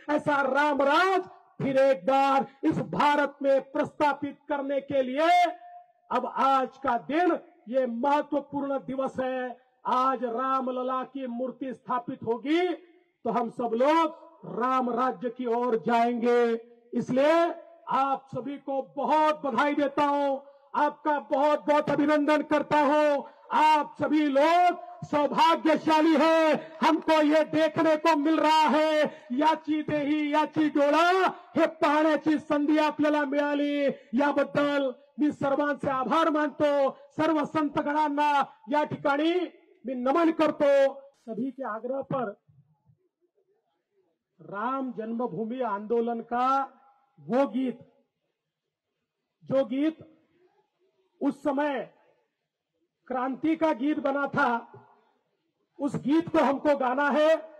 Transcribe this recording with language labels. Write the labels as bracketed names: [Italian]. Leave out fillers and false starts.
[Hindi] ऐसा राम राज फिर एक बार इस भारत में प्रस्तापित करने के लिए अब आज का दिन ये महत्वपूर्ण दिवस है। आज रामलला की मूर्ति स्थापित होगी तो हम सब लोग राम राज्य की ओर जाएंगे, इसलिए आप सभी को बहुत बधाई देता हूं, आपका बहुत बहुत अभिनंदन करता हूं। आप सभी लोग सौभाग्यशाली हैं, हमको ये देखने को मिल रहा है, [Marathi] याची देही याची डोला हे पाहण्याची संधी आपल्याला मिळाली, याबद्दल मी सर्वांचे आभार मानतो, सर्व संतगणांना या ठिकाणी मी नमन करतो। [Hindi] सभी के आग्रह पर राम जन्मभूमि आंदोलन का वो गीत, जो गीत उस समय क्रांति का गीत बना था, उस गीत को हमको गाना है।